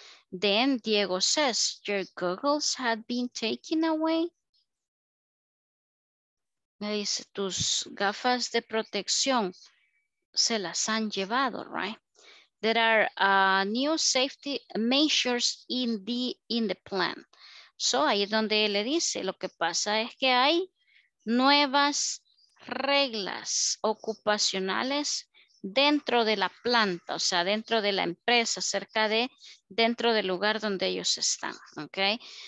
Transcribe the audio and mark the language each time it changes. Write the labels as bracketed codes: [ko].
[en] Then Diego says, your goggles had been taken away. [es] Me dice, tus gafas de protección se las han llevado, right? [en] There are new safety measures in the plan. [es] So ahí es donde él le dice, lo que pasa es que hay nuevas reglas ocupacionales dentro de la planta, o sea, dentro de la empresa, cerca de, dentro del lugar donde ellos están, ¿ok?